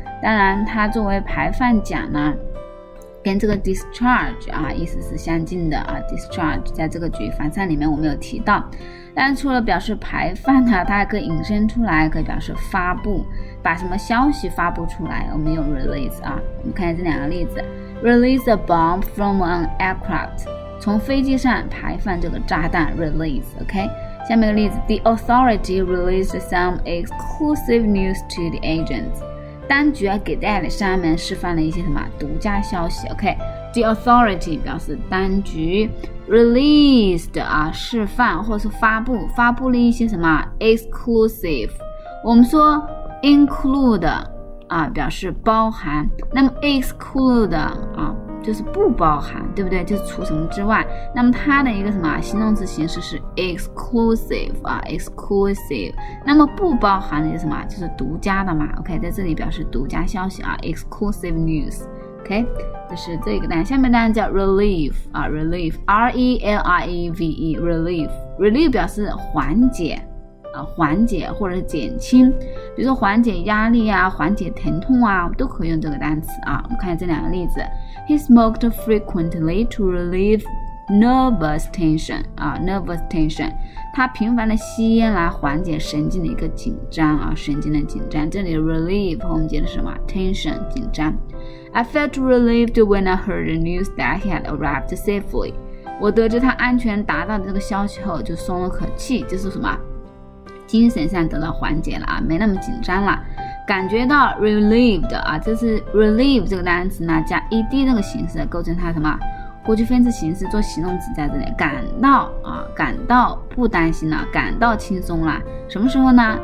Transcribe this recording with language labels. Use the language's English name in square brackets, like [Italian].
[Chinese] 当然它作为排放讲呢，跟这个 discharge 啊意思是相近的啊。 discharge 在这个举凡三里面我们有提到，但除了表示排放呢，它还可以引申出来，可以表示发布，把什么消息发布出来，我们有 release 啊。我们看一下这两个例子。 [English] release a bomb from an aircraft， [Chinese] 从飞机上排放这个炸弹， [English] release。 [Chinese] OK，下面的例子， [English] The authority released some exclusive news to the agents， [Chinese] 当局啊给代理商们释放了一些什么独家消息。 OK， [English] The authority [Chinese] 表示当局， released 啊释放或是发布，发布了一些什么 exclusive。我们说 include 啊表示包含，那么 exclude 啊就是不包含，对不对？就是除什么之外。那么它的一个什么形容词形式是 exclusive 啊 ，exclusive。那么不包含的是什么？就是独家的嘛。 OK， 在这里表示独家消息啊 ， [English] exclusive news。 [Chinese] OK， 这是这个单词。下面单词叫 relief 啊 ，relief，R-E-L-I-E-V-E，relief，relief 表示缓解啊，缓解或者减轻，比如说缓解压力啊，缓解疼痛啊，都可以用这个单词啊。我们看这两个例子。 [English] He smoked frequently to relieve nervous tension. 啊 ，nervous tension. [Chinese] 他频繁的吸烟来缓解神经的一个紧张啊，神经的紧张。这里 relieve 我们接的是什么 ？tension 紧张。 [English] I felt relieved when I heard the news that he had arrived safely. [Chinese] 我得知他安全达到的这个消息后，就松了口气，就是什么？精神上得到缓解了啊，没那么紧张了。感觉到 relieved 啊，这是 relieve 这个单词呢加 ed 这个形式构成它什么过去分词形式做形容词，在这里感到啊，感到不担心了，感到轻松了。什么时候呢？